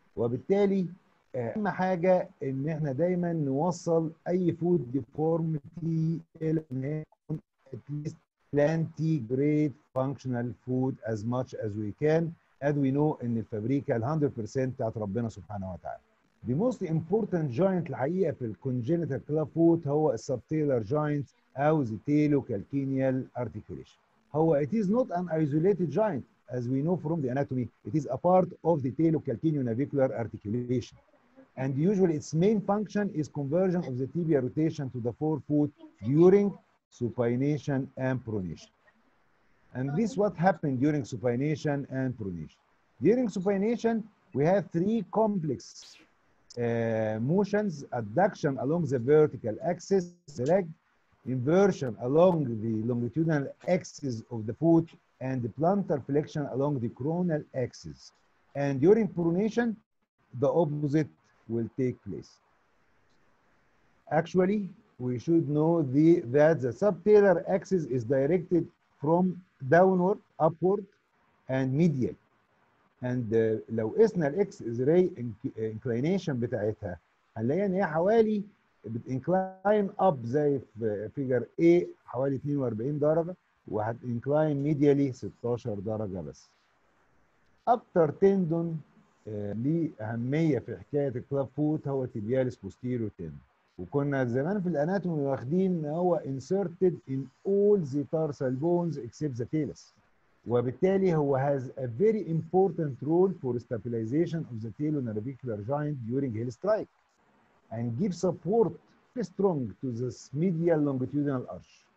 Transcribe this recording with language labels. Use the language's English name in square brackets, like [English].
[Arabic] وبالتالي اهم حاجه ان احنا دايما نوصل اي فوت ديفورميتي الى ان يكون اتليست [English] plenty great functional food as much as we can, as we know [Arabic] ان الفابريكا 100% بتاعت ربنا سبحانه وتعالى. [English] The most important joint [Arabic] الحقيقه في الكونجنتال كلافوت هو السبتيلر [English] joint او the telocalcaneal articulation. هو it is not an isolated joint as we know from the anatomy, it is a part of the telocalcaneonavicular articulation. And usually its main function is conversion of the tibia rotation to the forefoot during supination and pronation. And this is what happened during supination and pronation. During supination, we have three complex motions: adduction along the vertical axis of the leg, inversion along the longitudinal axis of the foot, and the plantar flexion along the coronal axis. And during pronation, the opposite will take place. Actually, we should know that the subtalar axis is directed from downward, upward, and medial. [Arabic] And لو قسنا الX ray inclination بتاعتها هنلاقي ان هي حوالي بتincline up زي في figure A حوالي 42 درجة، وهت incline medially 16 درجة بس. أكتر تندون ليه أهمية في حكاية الكلاب فوت هو تيبياليس بوستيريور تندون. وكنا زمان في الاناتومي واخدين هو [English] inserted in all the tarsal bones except the talus. [Arabic] وبالتالي هو [English] has a very important role for stabilization of the telonavicular joint during heel strike and give support strong to the medial longitudinal arch.